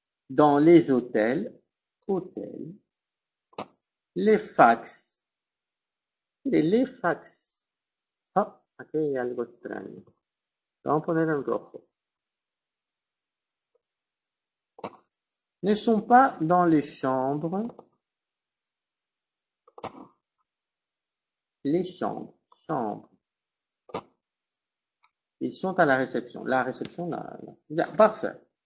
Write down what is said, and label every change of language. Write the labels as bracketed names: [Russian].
[French] Dans les hôtels, hôtels, les fax, les fax. [Spanish] Ah, aquí hay algo extraño. Vamos a poner en rojo. [French] Ne sont pas dans les chambres. Les chambres, chambres. Ils sont à la réception. La réception, là. Bien, parfait.